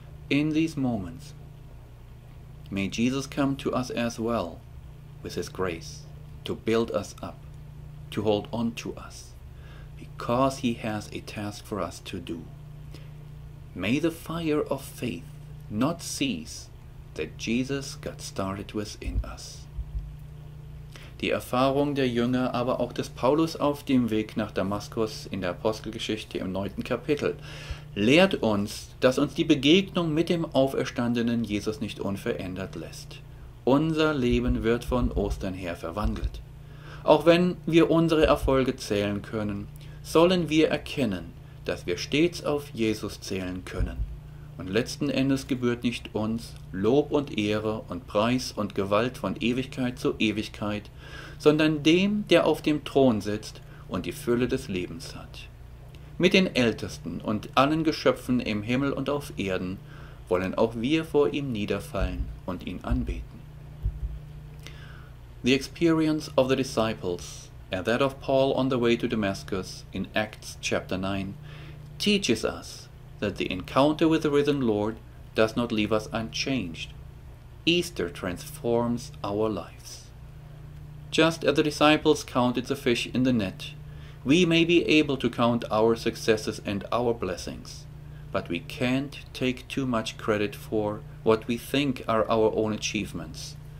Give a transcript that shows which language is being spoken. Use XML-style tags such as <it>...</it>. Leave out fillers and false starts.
<en>In these moments, may Jesus come to us as well with his grace to build us up, to hold on to us, because he has a task for us to do. May the fire of faith not cease that Jesus got started within us.</en> <de>Die Erfahrung der Jünger, aber auch des Paulus auf dem Weg nach Damaskus in der Apostelgeschichte im 9. Kapitel, lehrt uns, dass uns die Begegnung mit dem auferstandenen Jesus nicht unverändert lässt. Unser Leben wird von Ostern her verwandelt. Auch wenn wir unsere Erfolge zählen können, sollen wir erkennen, dass wir stets auf Jesus zählen können. Und letzten Endes gebührt nicht uns Lob und Ehre und Preis und Gewalt von Ewigkeit zu Ewigkeit, sondern dem, der auf dem Thron sitzt und die Fülle des Lebens hat. Mit den Ältesten und allen Geschöpfen im Himmel und auf Erden wollen auch wir vor ihm niederfallen und ihn anbeten.</de> <en>The experience of the disciples and that of Paul on the way to Damascus in Acts chapter 9 teaches us that the encounter with the risen Lord does not leave us unchanged. Easter transforms our lives. Just as the disciples counted the fish in the net, we may be able to count our successes and our blessings, but we can't take too much credit for what we think are our own achievements.</en>